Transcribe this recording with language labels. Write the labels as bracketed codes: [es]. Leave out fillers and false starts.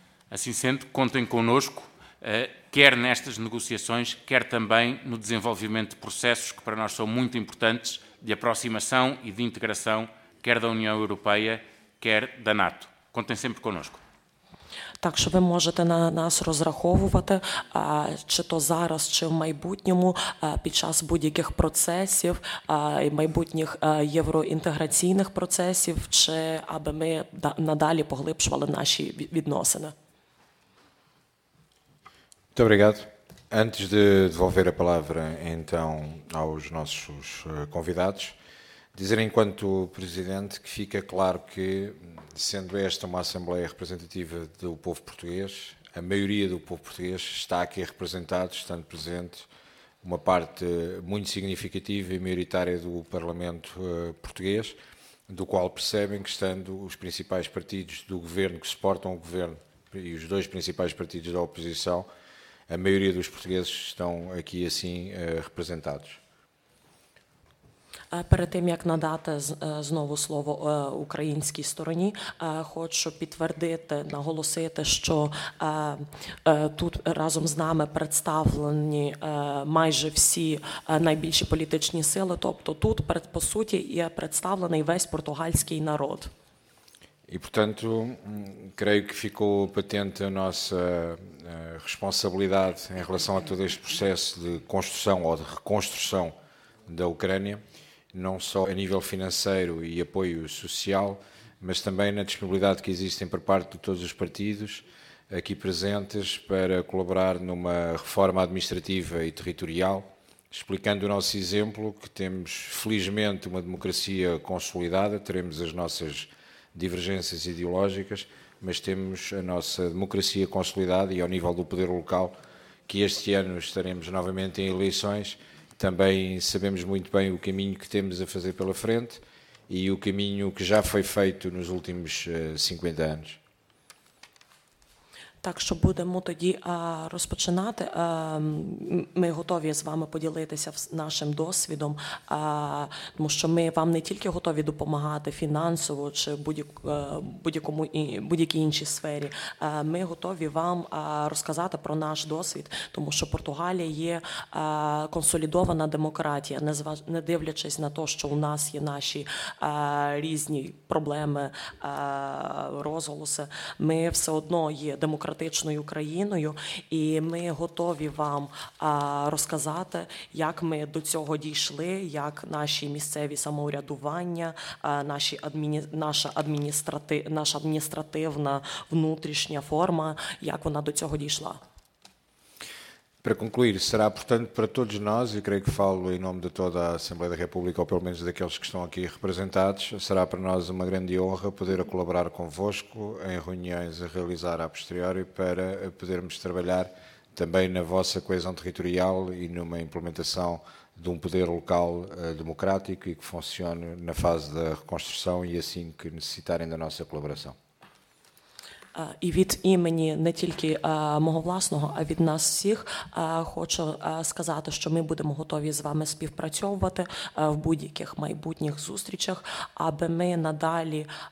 [pt] Assim sendo, contem connosco, quer nestas negociações, quer também no desenvolvimento de processos que para nós são muito importantes, de aproximação e de integração, quer da União Europeia, quer da NATO. Contem sempre connosco. [uk] Так, що ви можете на нас розраховувати, чи то зараз, чи в майбутньому, під час будь-яких процесів, майбутніх євроінтеграційних процесів, чи аби ми надалі поглибшували наші відносини. [pt] Muito obrigado. Antes de devolver a palavra, então, aos nossos convidados, dizer enquanto presidente que fica claro que, sendo esta uma Assembleia representativa do povo português, a maioria do povo português está aqui representado, estando presente uma parte muito significativa e maioritária do Parlamento português, do qual percebem que, estando os principais partidos do governo que suportam o governo e os dois principais partidos da oposição, a maioria dos portugueses estão aqui assim representados. [uk] Перед тим, як надати знову слово українській стороні, хочу підтвердити, наголосити, що тут разом з нами представлені майже всі найбільші політичні сили, тобто тут, по суті, є представлений весь португальський народ. І, [pt] portanto, creio que ficou patente a nossa responsabilidade em relação a todo este processo de construção ou de reconstrução da Ucrânia, não só a nível financeiro e apoio social, mas também na disponibilidade que existem por parte de todos os partidos aqui presentes para colaborar numa reforma administrativa e territorial, explicando o nosso exemplo, que temos felizmente uma democracia consolidada, teremos as nossas divergências ideológicas, mas temos a nossa democracia consolidada e ao nível do poder local, que este ano estaremos novamente em eleições. Também sabemos muito bem o caminho que temos a fazer pela frente e o caminho que já foi feito nos últimos 50 anos. [uk] Так що будемо тоді розпочинати. Ми готові з вами поділитися нашим досвідом, тому що ми вам не тільки готові допомагати фінансово чи будь-якому будь-якій іншій сфері, ми готові вам розказати про наш досвід, тому що Португалія є консолідована демократія, не дивлячись на те, що у нас є наші різні проблеми, розголоси. Ми все одно є демократичною країною, і ми готові вам розказати, як ми до цього дійшли, як наші місцеві самоврядування, наша адміністративна внутрішня форма, як вона до цього дійшла. [pt] Para concluir, será portanto para todos nós, e creio que falo em nome de toda a Assembleia da República, ou pelo menos daqueles que estão aqui representados, será para nós uma grande honra poder colaborar convosco em reuniões a realizar a posteriori para podermos trabalhar também na vossa coesão territorial e numa implementação de um poder local democrático e que funcione na fase da reconstrução e assim que necessitarem da nossa colaboração. [uk] І від імені не тільки мого власного, а від нас всіх хочу сказати, що ми будемо готові з вами співпрацьовувати в будь-яких майбутніх зустрічах, аби ми надалі